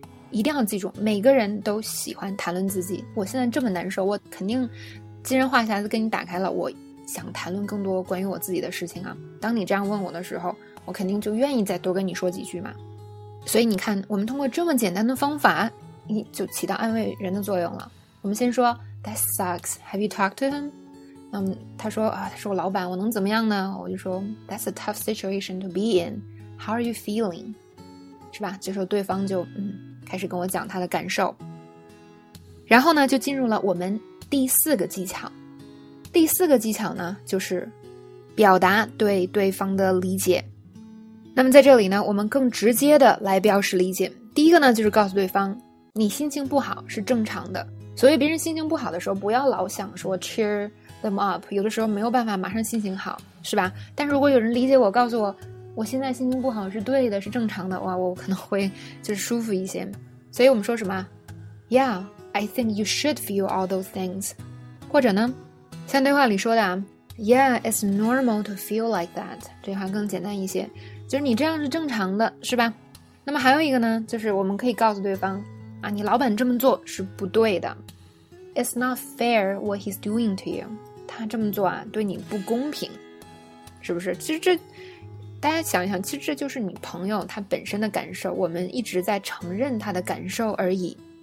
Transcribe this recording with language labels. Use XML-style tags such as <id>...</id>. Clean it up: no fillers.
<zh>一定要记住，每个人都喜欢谈论自己，我现在这么难受，我肯定既然话匣子跟你打开了，我想谈论更多关于我自己的事情啊。当你这样问我的时候，我肯定就愿意再多跟你说几句嘛。所以你看，我们通过这么简单的方法，你就起到安慰人的作用了。我们先说</zh> <en>That sucks, have you talked to him?</en> <zh>那么他说他是我老板，我能怎么样呢？我就说</zh> <en>That's a tough situation to be in, how are you feeling?</en> <zh>是吧？这时候对方就开始跟我讲他的感受。然后呢就进入了我们第四个技巧。第四个技巧呢就是表达对对方的理解。那么在这里呢我们更直接的来表示理解。第一个呢就是告诉对方你心情不好是正常的。所以别人心情不好的时候不要老想说</zh> <en>cheer them up,</en> <zh>有的时候没有办法马上心情好，是吧？但如果有人理解我，告诉我我现在心情不好是对的，是正常的，哇，我可能会就是舒服一些。所以我们说什么？</zh> <en>Yeah, I think you should feel all those things.</en> <zh>或者呢像对话里说的</zh> <en>Yeah, it's normal to feel like that.</en> <zh>这话更简单一些，就是你这样是正常的，是吧？那么还有一个呢，就是我们可以告诉对方啊，你老板这么做是不对的。</zh> <en>It's not fair what he's doing to you.</en> <zh>他这么做啊对你不公平，是不是？其实这大家想一想，其实这就是你朋友他本身的感受，我们一直在承认他的感受而已。</zh>